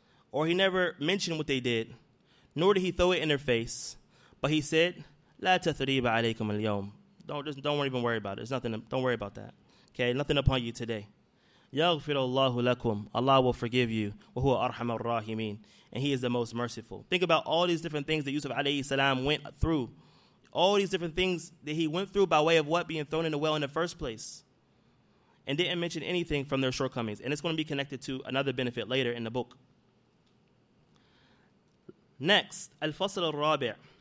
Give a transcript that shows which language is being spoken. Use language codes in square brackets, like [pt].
[en] Or he never mentioned what they did, nor did he throw it in their face. But he said, [ar] لَا تَثْرِيبَ عَلَيْكُمْ الْيَوْمِ. [en] Don't even worry about it. There's nothing, don't worry about that. Okay, nothing upon you today. [ar] يَغْفِرُ اللَّهُ لَكُمْ. [en] Allah will forgive you. [ar] وَهُوَ أَرْحَمَ الرَّاحِمِينَ. [en] And He is the most merciful. Think about all these different things that Yusuf alayhi salam went through. All these different things that he went through by way of what? Being thrown in the well in the first place. And didn't mention anything from their shortcomings. And it's going to be connected to another benefit later in the book. Next, [ar] الفصل الرابع.